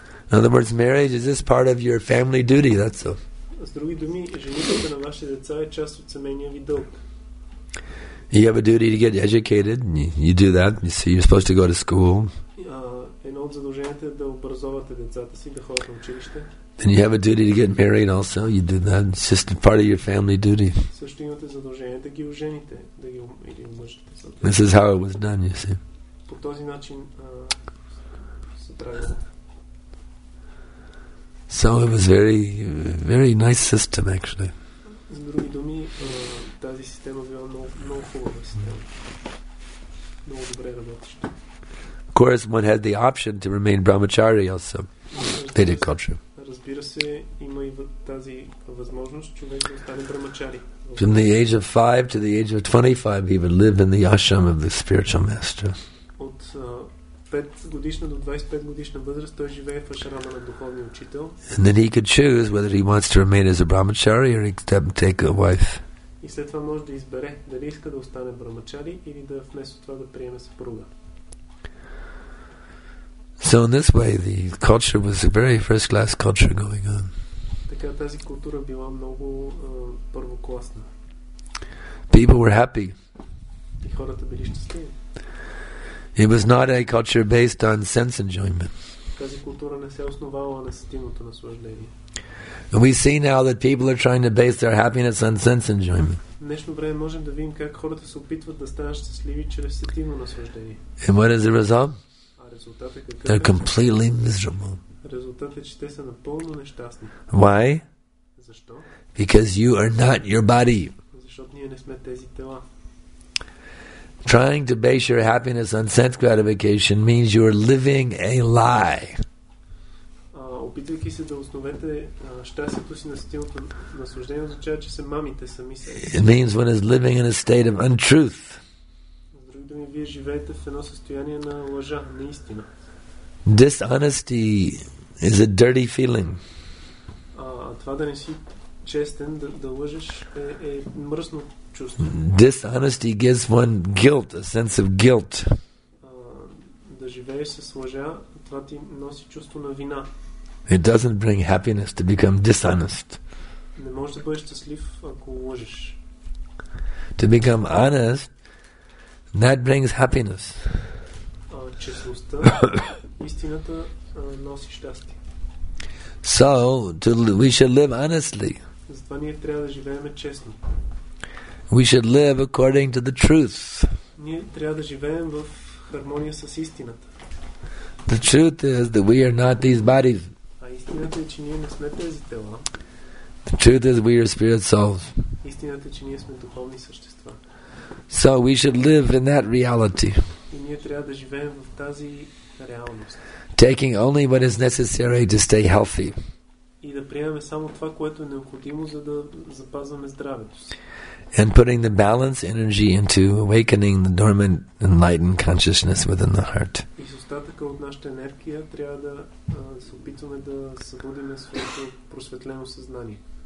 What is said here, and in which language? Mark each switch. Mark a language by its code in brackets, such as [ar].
[en] In other words, marriage is this part of your family duty, that's all. [bg] С други думи, женитбата на ваши деца е част от семейния ви дълг. [en] You have a duty to get educated, and you do that, you see, you're supposed to go to school. [bg] Едно от задълженията е да образовате децата си, да ходят на училище. [en] Then you have a duty to get married also, you do that, it's just a part of your family duty. [bg] Също имате задължение да ги ожените, да ги омъжете. [en] This is how it was done, you see. [bg] По този начин се прави. [en] So it was very, very nice system, actually. [bg] С други думи, тази система била много хубава система. Много добре работеща. [en] Of course, one had the option to remain brahmachari also. They did culture. [bg] Разбира се, има и тази възможност човек да остане брамачари. [en] From the age of 5 to the age of 25, he would live in the ashram of the spiritual master. [bg] От 5 годишна до 25 годишна възраст той живее в ашрама на духовния учител. [en] And then he could choose whether he wants to remain as a brahmachari or take a wife. [bg] И след това може да избере дали иска да остане брамачари или да вместо това да приеме съпруга. [en] So in this way the culture was a very first class culture going on. [bg] Така тази култура била много първокласна. [en] People were happy. [bg] И хората били щастливи. [en] It was not a culture based on sense enjoyment. [bg] Тази култура не се основавала на сетивното наслаждение. [en] And we see now that people are trying to base their happiness on sense enjoyment. [bg] В днешно време можем да видим как хората се опитват да станат щастливи чрез сетивно наслаждение. [en] And what is the result? [bg] Резултат е какъв? [en] They're completely miserable. [bg] Резултат е, че те са напълно нещастни. [en] Why? [bg] Защо? [en] Because you are not your body. [bg] Защото ние не сме тези тела. [en] Trying to base your happiness on sense gratification means you are living a lie. [bg] Опитвайки се да основете щастието си на стилото наслаждение, означава, че се мамите сами се. [en] It means one is living in a state of untruth. [bg] Вие живеете в едно състояние на лъжа, на истина. [en] Dishonesty is a dirty feeling. [bg] Това да не си честен, да лъжеш, е мръсно чувство. [en] Dishonesty gives one guilt, a sense of guilt. [bg] Да живееш с лъжа, това ти носи чувство на вина. [en] It doesn't bring happiness to become dishonest. [bg] Не можеш да бъдеш щастлив, ако лъжеш. [en] To become honest, that brings happiness. [bg] Честността, истината носи щастие. [en] So, we should live honestly. [bg] Затова ние трябва да живеем честно. [en] We should live according to the truth. [bg] Ние трябва да живеем в хармония с истината. [en] The truth is that we are not these bodies. [bg] А истината е, че ние не сме тези тела. [en] The truth is we are spirit souls. [bg] Истината е, че ние сме духовни същества. [en] So we should live in that reality. [bg] И ние трябва да живеем в тази реалност. [en] Taking only what is necessary to stay healthy. [bg] И да приемаме само това, което е необходимо, за да запазваме здравето си. [en] And putting the balance energy into awakening the dormant enlightened consciousness within the heart. [bg] И с остатъка от нашата енергия трябва да се опитваме да събудим своето просветлено съзнание.